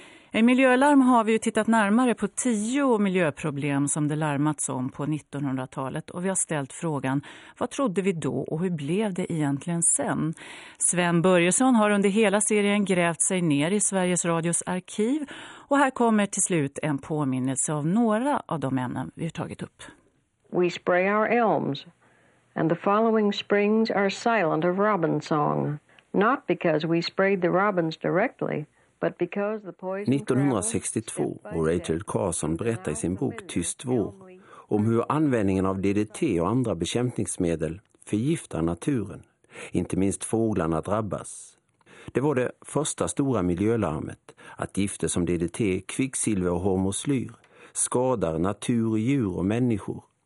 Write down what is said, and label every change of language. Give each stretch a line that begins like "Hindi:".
Swedish: I Miljölarm har vi ju tittat närmare på 10 miljöproblem som det larmats om på 1900-talet. Och vi har ställt frågan, vad trodde vi då och hur blev det egentligen sen? Sven Börjesson har under hela serien grävt sig ner i Sveriges Radios arkiv. Och här kommer till slut en påminnelse av några av de ämnen vi har tagit upp.
English: We spray our elms, and the following springs are silent of robin song. Not because we sprayed the robins directly.
Swedish: 1962, och Rachel Carson berättar i sin bok Tyst vår om hur användningen av DDT och andra bekämpningsmedel förgiftar naturen, inte minst fåglarna drabbas. Det var det första stora miljölarmet att gifter som DDT, kvicksilver och hormoslyr skadar natur, djur och människor.